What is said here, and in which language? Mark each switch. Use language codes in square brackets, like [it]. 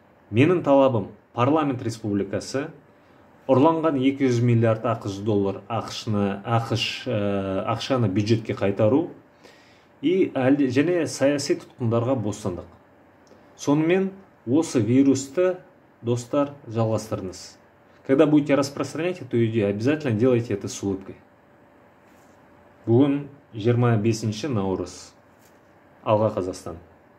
[kk] Менің талабым парламент республикасы ұрланған 200 миллиард ақш доллар ақшаны бюджетке қайтару және саяси тұтқындарға бостандық. Сонымен осы вирусты, достар, жалғастырыңыз. [ru] Когда будете распространять эту идею, обязательно делайте это с улыбкой. [kk] Бүгін 25-ші наурыз. Алға, Қазақстан!